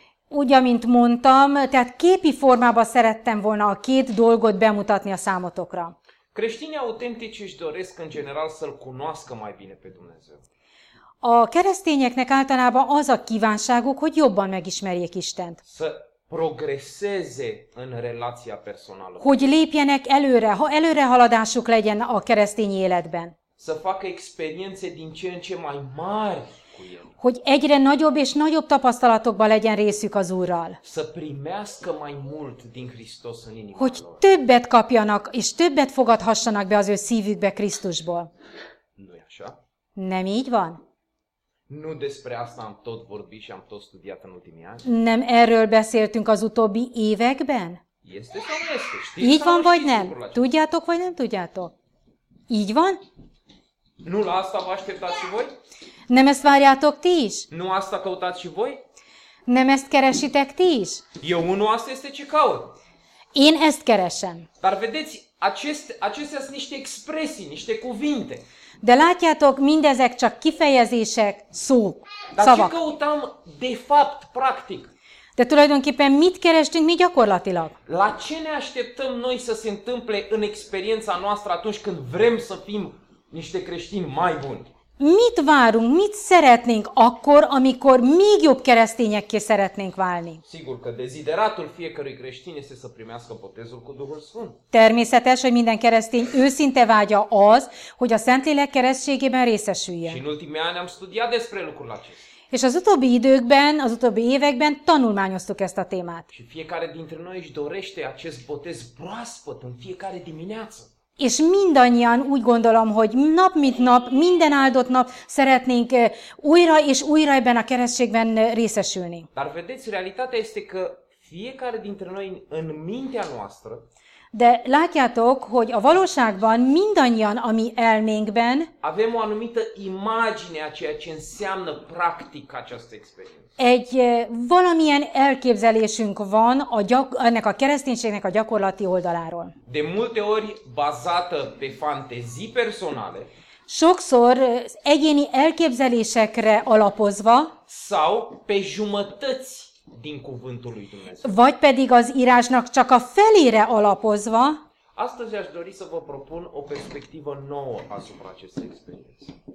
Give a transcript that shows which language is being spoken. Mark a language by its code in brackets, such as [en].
[hu] Úgy, amint mondtam, tehát képi formában szerettem volna a két dolgot bemutatni a számotokra. [ro] Creștinii autentici își doresc în general să-l cunoască mai bine pe Dumnezeu. [hu] A keresztényeknek általában az a kívánságuk, hogy jobban megismerjék Istent. [ro] Să progreseze în relația personală. [hu] Hogy lépjenek előre, ha előrehaladásuk legyen a keresztény életben. [ro] Să facă experiențe din ce în ce mai mari. [hu] Hogy egyre nagyobb és nagyobb tapasztalatokban legyen részük az Úrral. [ro] Să primească mai mult din Hristos în inima lor. [hu] Hogy többet kapjanak és többet fogadhassanak be az ő szívükbe Krisztusból. [ro] Nu-i așa? [hu] Nem így van? [ro] Nu despre asta am tot vorbit și am tot studiat în ultimii ani. [hu] Nem erről beszéltünk az utóbbi években? [ro] Este sau nu este? [hu] Így van vagy nem? Tudjátok vagy nem tudjátok? Így van? [ro] Nu la asta vă așteptați și voi? [hu] Nem ezt várjátok ti is? [ro] Nu asta căutați și voi? [hu] Nem ezt keresitek ti is? [ro] Eu unul asta este ce caut. [hu] Én ezt keresem. [ro] Dar vedeți, acestea sunt niște expresii, niște cuvinte. [hu] De látjátok, mindezek csak kifejezések, szó, [ro] dar [hu] szavak. [ro] Ce căutam de fapt, practic? [hu] De tulajdonképpen mit kerestünk mi gyakorlatilag? [ro] La ce ne așteptăm noi să se întâmple în experiența noastră atunci când vrem să fim niște creștini mai buni? [hu] Mit várunk, mit szeretnénk akkor, amikor még jobb keresztényekké szeretnénk válni? [ro] Sigur că dezideratul fiecărui creștin este să primească botezul cu Duhul Sfânt. [hu] Természetes, hogy minden keresztény őszinte vágya az, hogy a Szentlélek keresztségében részesüljen. [ro] Și în ultimii ani am studiat despre lucrul acesta. [hu] És az utóbbi időkben, az utóbbi években tanulmányoztuk ezt a témát. [ro] Și fiecare dintre noi își dorește acest botez proaspăt în fiecare dimineață. [hu] És mindannyian úgy gondolom, hogy nap mint nap, minden áldott nap szeretnénk újra és újra ebben a keresztségben részesülni. [ro] Dar vedeți, realitatea este că fiecare dintre noi în mintea noastră. [hu] De látjátok, hogy a valóságban mindannyian a mi elménkben [ro] avem o anumită imagine a ceea ce înseamnă practic această experiență. [hu] Egy valamilyen elképzelésünk van a ennek a kereszténységnek a gyakorlati oldaláról. [ro] De multe ori bazată pe fantezii personale. [hu] Sokszor egyéni elképzelésekre alapozva. [ro] Sau pe jumătăți din cuvântul lui Dumnezeu. [hu] Vagy pedig az írásnak csak a felére alapozva. [ro] Astăzi aș dori să vă propun o perspectivă nouă asupra acestei experiențe.